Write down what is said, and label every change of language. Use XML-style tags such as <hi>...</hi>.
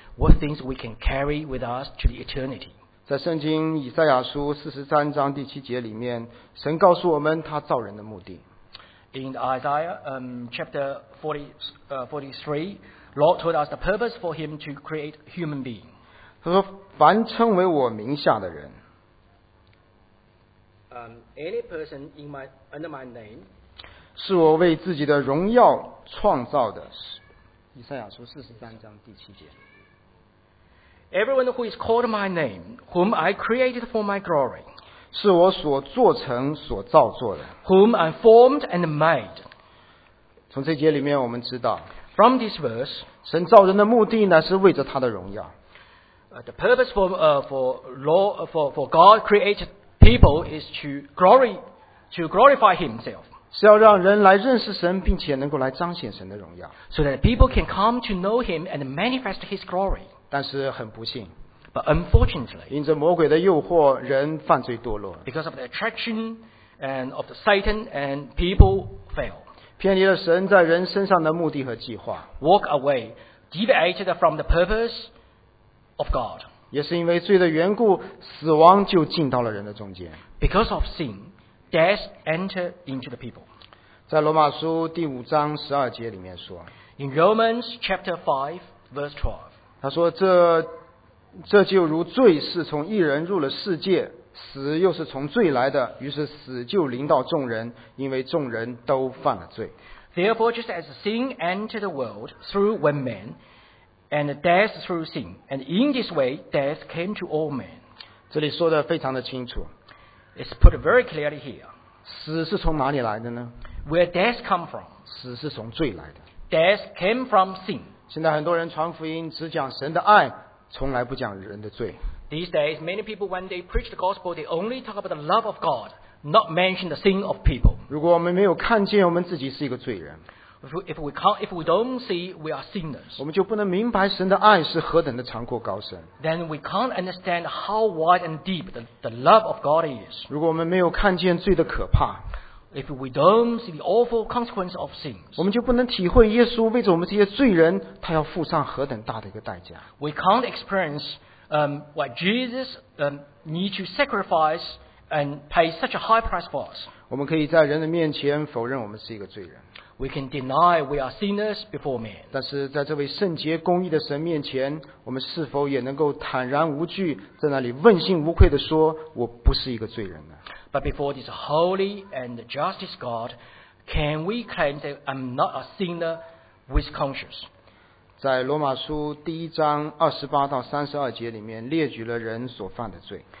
<en>What things we can carry with us to the eternity?</en> <zh>在圣经以赛亚书43章第7节里面, 神告诉我们他造人的目的。</zh> <en>In Isaiah chapter 43, Lord told us the purpose for him to create human being.</en> <zh>他说, 凡称为我名下的人,</zh> <en>any person in my, under my name,</en> <zh>是我为自己的荣耀创造的。以赛亚书43:7。</zh> <en>Everyone who is called my name, whom I created for my glory,</en> <zh>是我所做成所造作的。</zh> <en>Whom I formed and made.</en> <zh>从这节里面我们知道，</zh> <en>From this verse,</en> <zh>神造人的目的呢，是为着他的荣耀。</zh> <en>The purpose for God created people is to glorify Himself.</en> <zh>是要让人来认识神，并且能够来彰显神的荣耀。</zh> <en>So that people can come to know Him and manifest His glory.</en> <zh>但是很不幸。</zh> <en>But unfortunately,</en> <zh>因着魔鬼的诱惑，人犯罪堕落。</zh> <en>Because of the attraction and of the Satan, and people fail.</en> <zh>偏离了神在人身上的目的和计划。</zh> <en>Walk away, deviated from the purpose. Of God.</en> <zh>也是因为罪的缘故，死亡就进到了人的中间。</zh> <en>Because of sin, death entered into the people.</en> <zh>在罗马书第5:12里面说。</zh> <en>In Romans chapter 5:12.</en> <zh>他说这就如罪是从一人入了世界，死又是从罪来的，于是死就临到众人，因为众人都犯了罪。</zh> <en>Therefore, just as sin entered the world through one man,And death through sin, and in this way, death came to all men.</en> <zh>这里说的非常的清楚。</zh> <en>It's put very clearly here.</en> <zh>死是从哪里来的呢？</zh> <en>Where death come from?</en> <zh>死是从罪来的。</zh> <en>Death came from sin.</en> <zh>现在很多人传福音只讲神的爱，从来不讲人的罪。</zh> <en>These days, many people when they preach the gospel, they only talk about the love of God, not mention the sin of people.</en> <zh>如果我们没有看见我们自己是一个罪人。</zh> <en>If we don't see we are sinners,</en> <zh>我们就不能明白神的爱是何等的长阔高深。</zh> <en>Then we can't understand how wide and deep the love of God is.</en> <zh>如果我们没有看见罪的可怕，</zh> <en>If we don't see the awful consequence of sins,</en> <zh>我们就不能体会耶稣为着我们这些罪人，他要付上何等大的一个代价。</zh> <en>We can't experience what Jesus need to sacrifice and pay such a high price for us.</en> <zh>我们可以在人的面前否认我们是一个罪人。</zh> <en>We can deny we are sinners before man.</en> <zh>但是在这位圣洁公义的神面前，我们是否也能够坦然无惧，在那里问心无愧地说，我不是一个罪人呢？</zh> <en>But before this holy and justice God, can we claim that I'm not a sinner with conscience?</en> <zh>在罗马书第1:28-32里面列举了人所犯的罪。</zh>